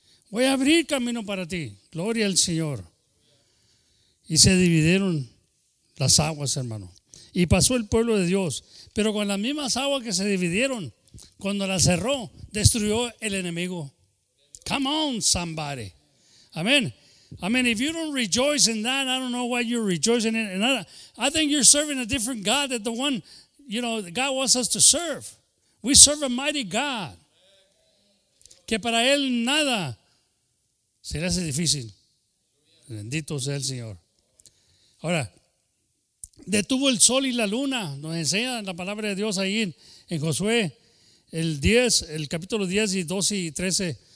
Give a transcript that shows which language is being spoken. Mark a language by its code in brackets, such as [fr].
[es] Voy a abrir camino para ti. Gloria al Señor. Y se dividieron las aguas, hermano. Y pasó el pueblo de Dios. Pero con las mismas aguas que se dividieron, cuando las cerró, destruyó el enemigo. [en] Come on, somebody. Amén. I mean, if you don't rejoice in that, I don't know why you're rejoicing in it. I think you're serving a different God than the one, you know, God wants us to serve. We serve a mighty God. [es] Que para Él nada se le hace difícil. Bendito sea el Señor. Ahora, detuvo el sol y la luna. Nos enseña la palabra de Dios ahí en Josué, el capítulo 10 y 12 y 13.